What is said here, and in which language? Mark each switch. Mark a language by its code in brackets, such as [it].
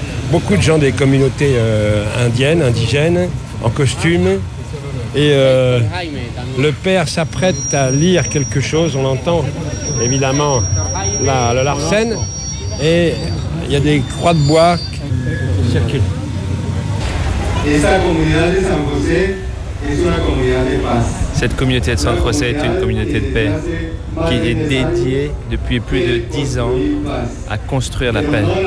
[fr] Beaucoup de gens des communautés indigènes, en costume. Et le père s'apprête à lire quelque chose, on l'entend évidemment, le Larsen. Et il y a des croix de bois qui circulent. [es] Esta comunidad de San José es una comunidad de paz. [fr] Cette communauté de San José est une communauté de paix qui est dédiée depuis plus de 10 ans à construire la paix.